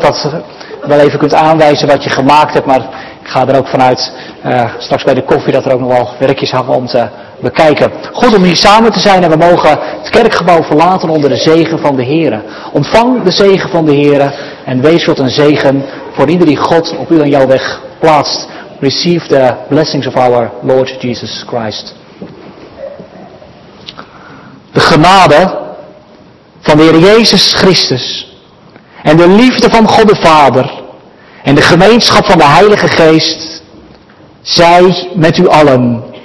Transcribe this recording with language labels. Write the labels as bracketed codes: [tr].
[nl] Dat wel even kunt aanwijzen wat je gemaakt hebt. Maar ik ga er ook vanuit straks bij de koffie dat er ook nog wel werkjes hangen om te bekijken. Goed om hier samen te zijn en we mogen het kerkgebouw verlaten onder de zegen van de Heere. Ontvang de zegen van de Heere en wees tot een zegen voor ieder die God op u en jouw weg plaatst. [en] Receive the blessings of our Lord Jesus Christ. [nl] De genade van de Heer Jezus Christus en de liefde van God de Vader en de gemeenschap van de Heilige Geest zij met u allen.